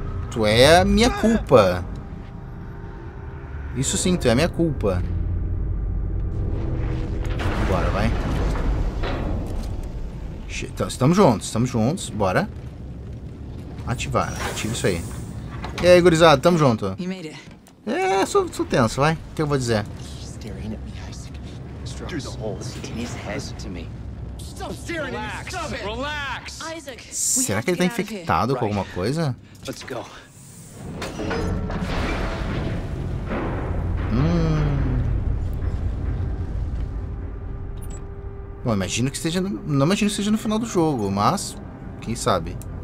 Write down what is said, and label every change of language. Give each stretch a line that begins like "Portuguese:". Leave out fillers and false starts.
Portuguese: Tu é a minha culpa. Isso sim, tu é a minha culpa. Bora, vai. Então, estamos juntos, bora. Ativa isso aí. E aí, gurizada, tamo junto. É, sou tenso, vai. O que eu vou dizer?
English: He's staring at me, Isaac. Through the holes in his head to me. Stop staring at me. Stop it. Relax. Isaac.
Portuguese: Será que ele tá infectado com alguma coisa?
English: Let's go.
Portuguese: Bom, imagino que seja. Não imagino que seja no final do jogo, mas. Quem sabe?